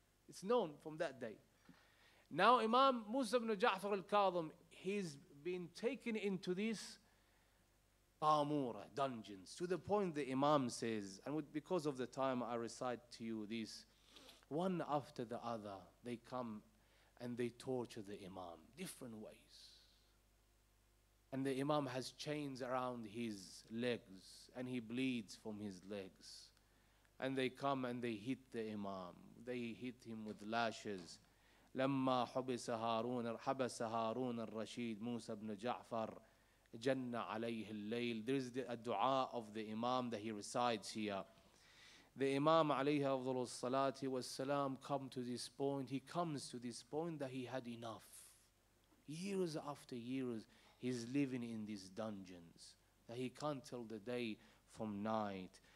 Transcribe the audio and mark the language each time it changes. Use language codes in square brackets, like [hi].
[en] It's known from that day. Now Imam Musa ibn Ja'far al-Kadhim, he's been taken into this Tamura, dungeons, to the point the Imam says, and because of the time I recite to you this, one after the other, they come and they torture the Imam, different ways. And the Imam has chains around his legs, and he bleeds from his legs. And they come and they hit the Imam. They hit him with lashes. [ar] لما حبس هارون الرشيد موسى بن جعفر جن عليه الليل. [en] There is a dua of the Imam that he recites here. The Imam [ar] عليه أفضل الصلاة والسلام [en] come to this point. He comes to this point that he had enough. Years after years, he's living in these dungeons that he can't tell the day from night.